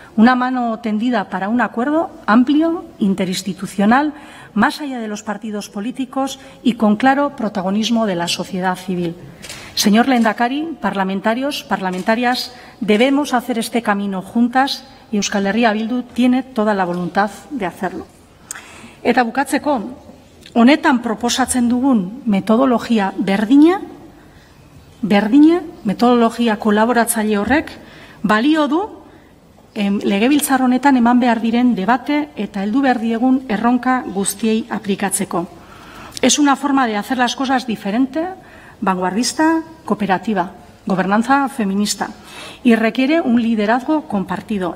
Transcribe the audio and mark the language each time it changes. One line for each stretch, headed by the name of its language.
Spanish: Una mano tendida para un acuerdo amplio, interinstitucional, más allá de los partidos políticos y con claro protagonismo de la sociedad civil. Señor Lehendakari, parlamentarios, parlamentarias, debemos hacer este camino juntas y Euskal Herria Bildu tiene toda la voluntad de hacerlo.
Basque: Eta bukatzeko, honetan proposatzen dugun metodologia berdina, metodologia kolaboratzaile horrek, balio du legebiltzar honetan eman behar diren debate eta heldu behar diegun erronka guztiei aplikatzeko.
Spanish: Es una forma de hacer las cosas diferente, vanguardista, cooperativa, gobernanza feminista y requiere un liderazgo compartido.